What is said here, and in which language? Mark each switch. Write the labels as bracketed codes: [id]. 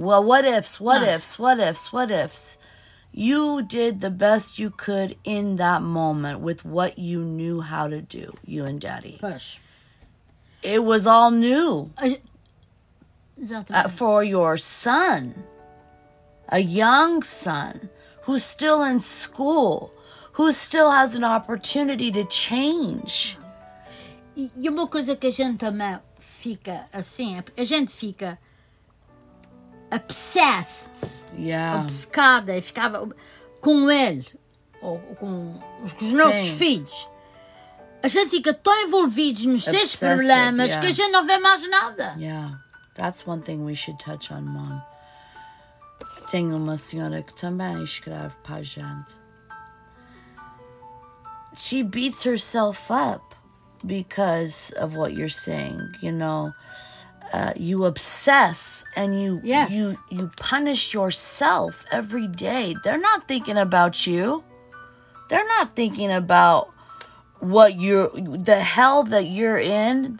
[en] Well, what ifs, what ifs, what ifs, what ifs? You did the best you could in that moment with what you knew how to do, you and Daddy. Push. It was all new. Exactly. For your son, a young son, who's still in school, who still has an opportunity to change. [pt] E uma coisa que a gente também fica assim, a gente fica obsessed, obcecada, e ficava com ele, ou com os nossos filhos. A gente fica tão envolvido nos seus problemas que a gente não vê mais nada. [en] Yeah, that's one thing we should touch on, Mom. [pt] Tem uma senhora que também escreve para a gente. [en] She beats herself up because of what you're saying. You know, you obsess and you punish yourself every day. They're not thinking about you. They're not thinking about what you're, the hell that you're in.